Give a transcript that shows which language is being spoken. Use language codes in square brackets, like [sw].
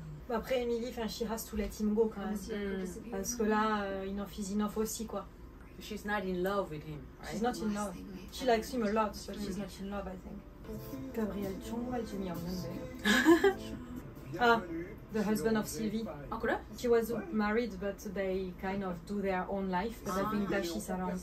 [en] Après, Emily, she has to let him go [fr] quand même. Parce que là, [en] enough is enough [fr] aussi, quoi. [en] She's not in love with him, right? She's not in love. She likes him a lot, but she's not in love, I think. [fr] Gabriel Chong, elle t'a mis en anglais. [en] Ah, the husband of Sylvie. [fr] Ah, quoi? [en] She was married, but they kind of do their own life. But I think that she's around.